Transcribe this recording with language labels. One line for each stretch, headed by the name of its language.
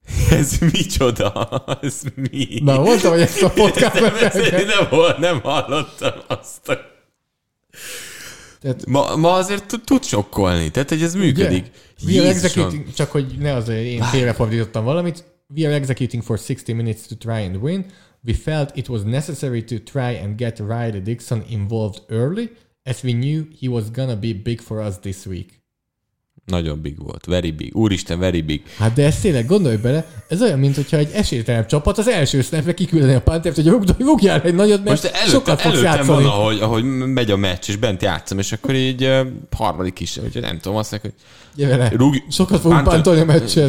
Hungarian: Ez micsoda? Ez mi? Na, mondtam, hogy ezt a podcastban nem hallottam azt. A... Tehát, ma azért tud sokkolni. Tehát, hogy ez működik. Csak hogy ne az, hogy én félrefordítottam valamit.
English: We are executing for 60 minutes to try and win. We felt it was necessary to try and get Riley Dixon involved early, as we knew he was gonna be big for us this week.
Hungarian: Nagyon big volt.
English: Very big.
Hungarian: Úristen,
English: very big.
Hungarian: Hát de ezt tényleg gondolj bele, ez olyan, mint hogyha egy esélytelen csapat az első snapre kiküldeni a Panthert, hogy rúgjál egy nagyot, mert előtte, sokat fogsz játszani. Most előttem van, ahogy megy a meccs, és bent játszom, és akkor így harmadik is, hogy nem tudom, azt mondja, hogy sokat fogunk pántolni a meccset.